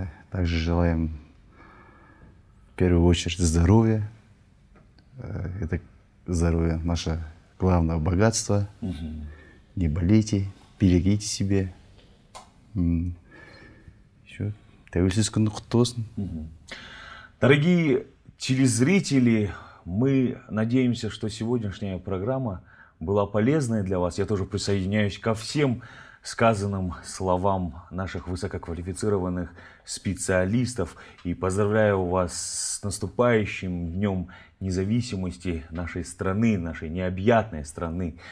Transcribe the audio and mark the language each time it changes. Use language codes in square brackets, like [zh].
[ru] Также желаем в первую очередь здоровье. Это здоровье наше главное богатство. Не болейте, берегите себе. Еще [kk] тәуелсіздігіңіз құтты болсын. [ru] Дорогие телезрители, мы надеемся, что сегодняшняя программа была полезной для вас. Я тоже присоединяюсь ко всем сказанным словам наших высококвалифицированных специалистов и поздравляю вас с наступающим Днем Независимости нашей страны, нашей необъятной страны.